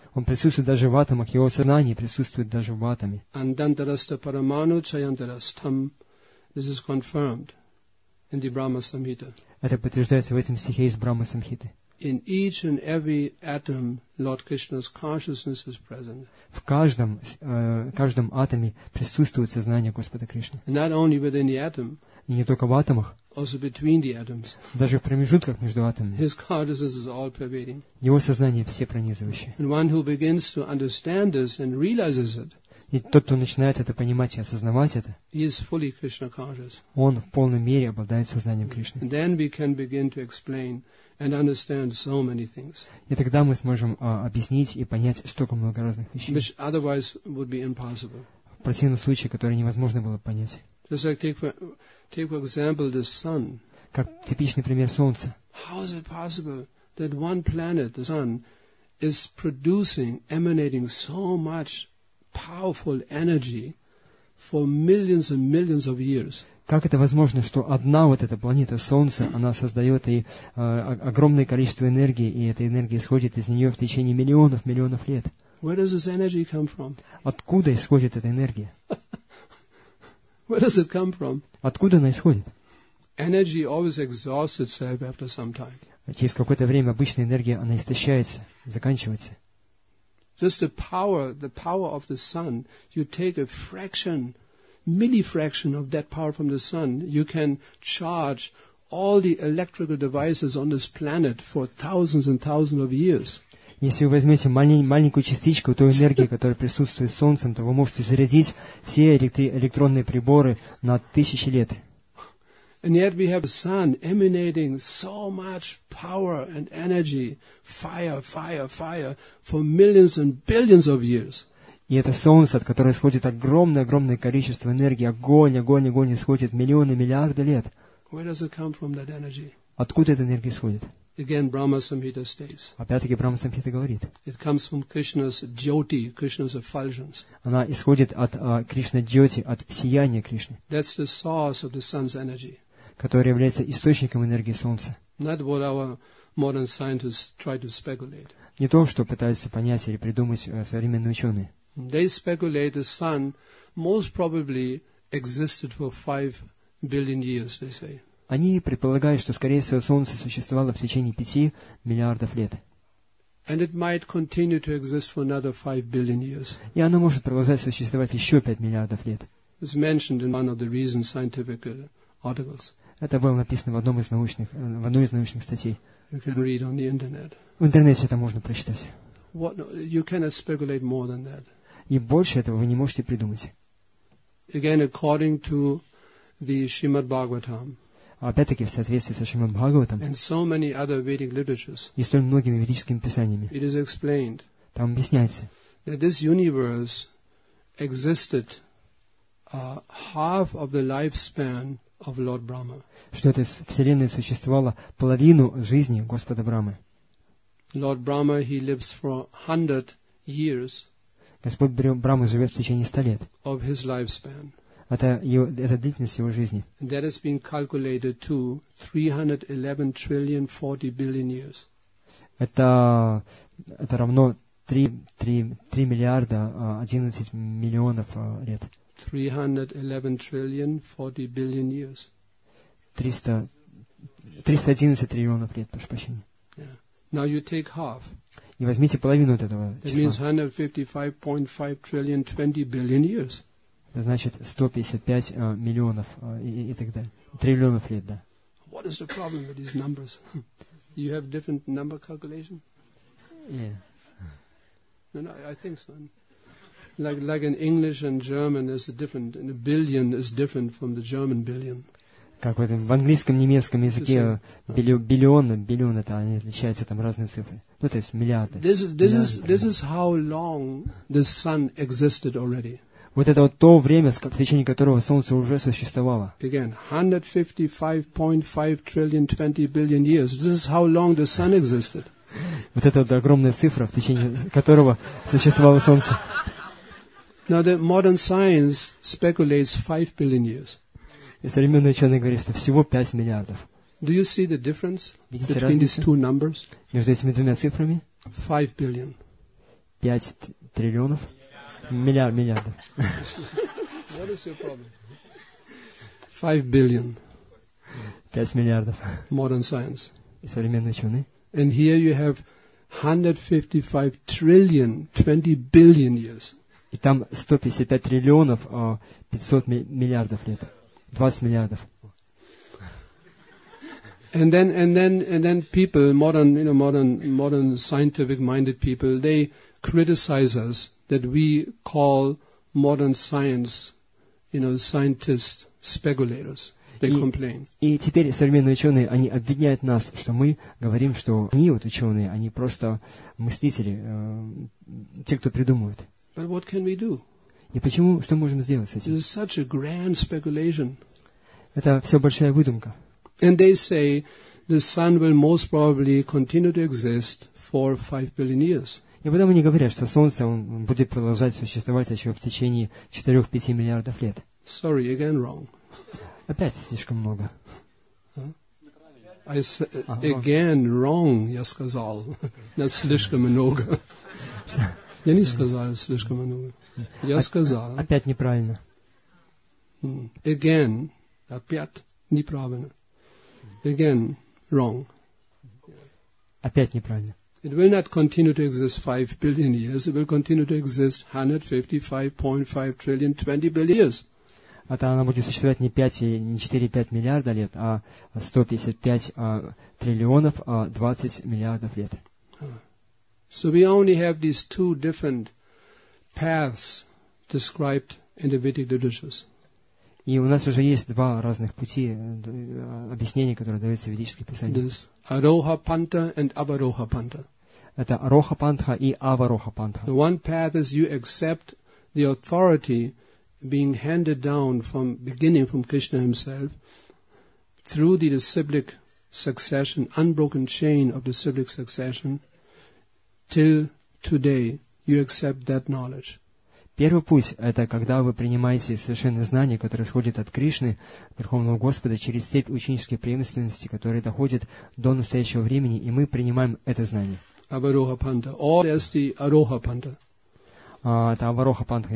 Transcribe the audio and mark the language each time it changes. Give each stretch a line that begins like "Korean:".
Russian: Он присутствует даже в атомах. Его сознание присутствует даже в атоме.
Sanskrit: Andantarastha paramanu chayantarastham.
English: This is confirmed in the Brahma Samhita.
Russian: Это подтверждается в этом стихе из Брахма Самхиты.
English: In each and every atom, Lord Krishna's consciousness is present.
Russian: В каждом атоме присутствует сознание Господа Кришны.
English: Not only within the atom.
Russian: И не только в атомах.
English: Also between the atoms.
Russian: Даже в промежутках между атомами.
English: His consciousness is all-pervading.
Russian: Его сознание всепронизывающее.
English: And one who begins to understand this and realizes it.
Russian: И тот, кто начинает это понимать и осознавать это,
English: he is fully Krishna conscious.
Russian: Он в полной мере обладает сознанием Кришны.
English: And then we can begin to explain. And understand so many things.
Russian: И тогда мы сможем объяснить и понять столько много разных вещей.
English: Which otherwise would be impossible.
Russian: В противном случае, которые невозможно было понять.
English: Just like take for example the sun.
Russian: Как типичный пример солнца.
English: How is it possible that one planet, the sun, is producing, emanating so much powerful energy for millions and millions of years?
Russian: Как это возможно, что одна вот эта планета Солнце, она создает и огромное количество энергии, и эта энергия исходит из нее в течение миллионов, миллионов лет?
English: Where does this energy come from?
Russian: Откуда исходит эта энергия?
English: Where does it come from?
Russian: Откуда она исходит?
English: Energy always exhausts itself after some time.
Russian: Через какое-то время обычная энергия, она истощается, заканчивается.
English: Just the power of the sun, you take a fraction, mini fraction of that power from the sun, you can charge all the electrical devices on this planet for thousands and thousands of years.
Russian: Если вы возьмете маленькую частичку той энергии, которая присутствует солнцем, то вы можете зарядить все электронные приборы на тысячи лет.
English: And yet we have a sun emanating so much power and energy, fire, for millions and billions of years.
Russian: И это солнце, от которого исходит огромное количество энергии, огонь исходит миллионы, миллиарды лет.
English: Where does it come from, that energy?
Russian: Откуда эта энергия исходит?
English: Again, Brahma Samhita states.
Russian: Опять-таки Брахма Самхита говорит.
English: It comes from Krishna's jyoti, Krishna's effulgence.
Russian: Она исходит от Кришны джоти, от сияния Кришны.
English: That's the source of the sun's energy.
Russian: Которая является источником энергии солнца.
English: Not what our modern scientists try to speculate.
Russian: Не то, что пытаются понять или придумать современные ученые.
English: They speculate the sun most probably existed for 5 billion years, they say.
Russian: Они предполагают, что, скорее всего, Солнце существовало в течение 5 миллиардов лет.
English: And it might continue to exist for another 5 billion years.
Russian: И оно может продолжать существовать еще 5 миллиардов лет.
English: It's mentioned in one of the recent scientific articles.
Russian: Это было написано в одной из научных статей.
English: You can read on the internet.
Russian: В интернете это можно прочитать.
English: What, you cannot speculate more than that.
Russian: И больше этого вы не можете придумать.
English: Again, according to the Shrimad Bhagavatam.
Russian: Опять-таки, в соответствии со Шримад Бхагаватом
English: and so many other Vedic literatures,
Russian: и столь многими ведическими писаниями,
English: it is explained,
Russian: там объясняется,
English: that this universe existed, half of the lifespan of Lord Brahma.
Russian: Что эта вселенная существовала половину жизни Господа Брамы.
English: Lord Brahma, he lives for 100 years,
Russian: Господь Брама живет в течение 100 лет
English: of his lifespan.
Russian: Это длительность его жизни.
English: That has been calculated to 311 trillion 40 billion years.
Russian: Это равно 3 миллиарда 11 миллионов лет.
English: 311 trillion 40 billion years.
Russian: 311 триллионов лет, прошу прощения.
English: Yeah. Now you take half.
Russian: И возьмите половину от этого числа.
English: That means 155.5 trillion 20 billion years.
Russian: Это значит 155 миллионов и так далее. Триллионов лет, да.
English: What is the problem with these numbers? You have different number calculation? Yeah. No, I think so. Like in English and German is a different, and a billion is different from the German billion.
Russian: Как в английском, немецком языке биллион, это они отличаются, там разные цифры. Ну, то есть миллиарды.
English: This is how long the sun existed already.
Russian: Вот это вот то время, в течение которого Солнце уже существовало.
English: Again, 155.5 trillion 20 billion years. This is how long the sun existed.
Russian: Вот это вот огромная цифра, в течение которого существовало Солнце.
English: Now the modern science speculates 5 billion years.
Russian: И современные ученые говорят, что всего 5 миллиардов.
English: Do you see the difference between these two numbers?
Russian: Между этими двумя цифрами?
English: 5 billion.
Russian: 5 триллионов. Миллиардов.
English: What is your problem? 5 billion.
Russian: 5 миллиардов.
English: Modern science.
Russian: И современные ученые.
English: And here you have 155 trillion 20 billion years.
Russian: И там 155 триллионов 500 миллиардов лет. 20 миллиардов.
English: And then people, modern, you know, modern scientific minded people, they criticize us. That we call modern science, you know, scientists speculators. They complain.
Russian: И теперь современные ученые, они обвиняют нас, что мы говорим, что они вот ученые, они просто мыслители, те, кто придумывают.
English: But what can we do?
Russian: И почему, что мы можем сделать с этим?
English: This is such a grand speculation.
Russian: Это все большая выдумка.
English: And they say the sun will most probably continue to exist for 5 billion years.
Russian: И потом они говорят, что Солнце будет продолжать существовать еще в течение 4-5 миллиардов лет.
English: Sorry, again wrong.
Russian: Опять слишком много.
English: Huh? Again wrong,
Russian: я сказал. Нет, слишком много. Я не сказал слишком много. Я сказал. Опять неправильно.
English: Again,
Russian: опять неправильно.
English: Again wrong.
Russian: Опять неправильно.
English: It will not continue to exist 5 billion years. It will continue to exist 155.5 trillion 20 billion years.
Russian: Это она будет существовать не 4-5 миллиарда лет, а 155 триллионов 20 миллиардов лет.
English: So we only have these two different paths described in the Vedic literatures.
Russian: И у нас уже есть два разных пути объяснения, которые даются в ведических писаниях.
English: This Aroha Panta and Avaroha Panta.
Russian: Это Ароха Пантха и Авароха Пантха.
English: The one path is you accept the authority being handed down from beginning from Krishna himself through the disciplic succession, unbroken chain of disciplic succession, till today you accept that knowledge.
Russian: Первый путь – это когда вы принимаете совершенное знание, которое исходит от Кришны, Верховного Господа, через цепь ученической преемственности, которая доходит до настоящего времени, и мы принимаем это знание.
English: Аварохапанта. All is the Аварохапанта.
Russian: Это Аварохапанта.